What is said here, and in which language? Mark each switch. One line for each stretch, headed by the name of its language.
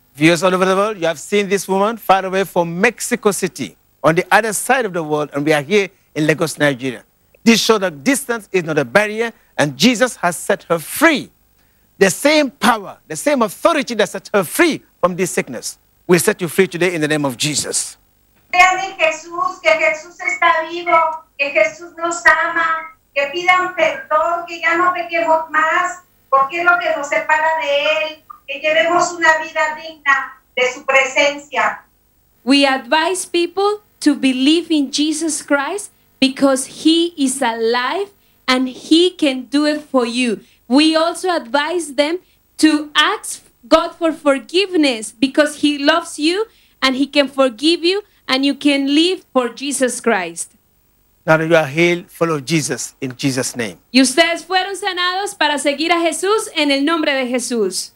English: Viewers all over the world, you have seen this woman far away from Mexico City on the other side of the world, and we are here in Lagos, Nigeria. This shows that distance is not a barrier, and Jesus has set her free. The same power, the same authority that set her free from this sickness will set you free today in the name of Jesus.
Spanish: Crean en Jesús, que Jesús está vivo, que Jesús nos ama, que pidan perdón, que ya no pequemos más, porque es lo que nos separa de Él, que llevemos una vida digna de su presencia.
English: We advise people to believe in Jesus Christ, because He is alive and He can do it for you. We also advise them to ask God for forgiveness because He loves you and He can forgive you and you can live for Jesus Christ. Now that you are healed, follow Jesus in Jesus' name.
Spanish: Y ustedes fueron sanados para seguir a Jesús en el nombre de Jesús.